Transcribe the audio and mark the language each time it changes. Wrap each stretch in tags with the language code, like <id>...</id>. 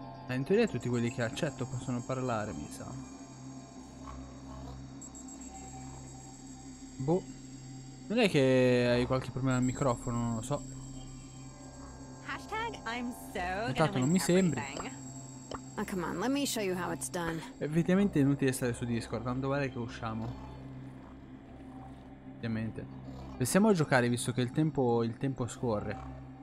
<it>In teoria tutti quelli che accetto possono parlare, mi sa. Boh. Non è che hai qualche problema al microfono, non lo so.</it> <en>Hashtag I'm so</en> <it>intanto non mi sembri.</it> <en>Oh, come on, let me show you how it's done.</en> <it>Evidentemente è inutile stare su Discord, tanto vale che usciamo. Ovviamente. Pensiamo a giocare visto che il tempo scorre.</it>